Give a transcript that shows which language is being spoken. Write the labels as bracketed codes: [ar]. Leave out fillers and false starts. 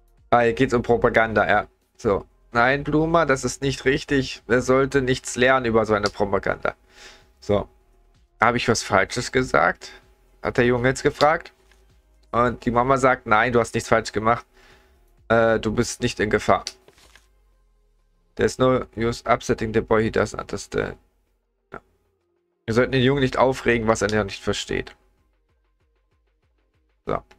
[de] Ah, hier geht es um Propaganda, ja. So. Nein, Bluma, das ist nicht richtig. Er sollte nichts lernen über so eine Propaganda. So. Habe ich was Falsches gesagt? Hat der Junge jetzt gefragt. Und die Mama sagt, nein, du hast nichts falsch gemacht. Du bist nicht in Gefahr. [en] There's no use upsetting the boy, he doesn't understand. Ja. [de] Wir sollten den Jungen nicht aufregen, was er noch nicht versteht. So.